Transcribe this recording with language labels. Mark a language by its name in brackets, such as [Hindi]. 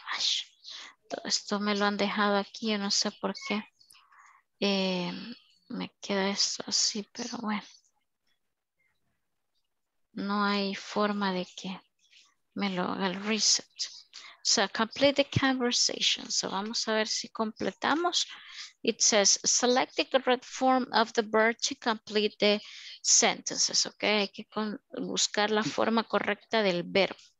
[Spanish] Ay, todo esto me lo han dejado aquí, yo no sé por qué. Me queda esto así, pero bueno. No hay forma de que me lo haga el reset. [English] So complete the conversation. [Spanish] So vamos a ver si completamos. [English] It says, select the correct form of the verb to complete the sentences. [Spanish] Okay, hay que buscar la forma correcta del verbo.